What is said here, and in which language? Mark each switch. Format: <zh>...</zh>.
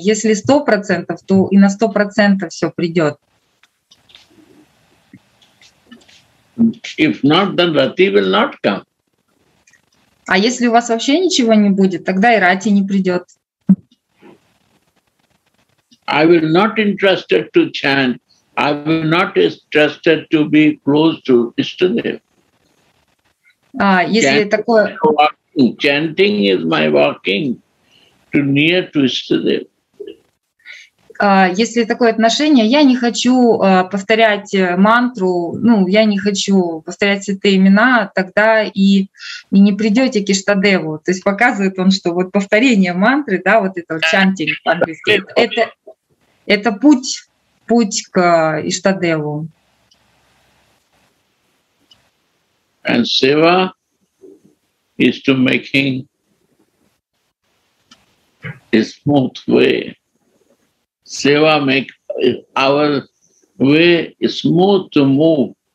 <ru>Если 100%, то и на 100% все придет.</ru> <en>If not, then Rati will not come.</en> <ru>А если у вас вообще ничего не будет, тогда и Рати не придет.</ru> <en>I will not interested to chant. I will not interested to be close to Ishtadev.</en> <ru>А если chanting такое?</ru> <en>Chanting is my walking to near to Ishtadev.</en> <ru>Если такое отношение, я не хочу повторять мантру, ну, я не хочу повторять святые имена, тогда и не придете к Иштадеву. То есть показывает он, что вот повторение мантры, да, вот это вот чантинг по-английски, это путь к Иштадеву.</ru> <en>And seva is to making a smooth way. Seva make our way smooth to move.</en>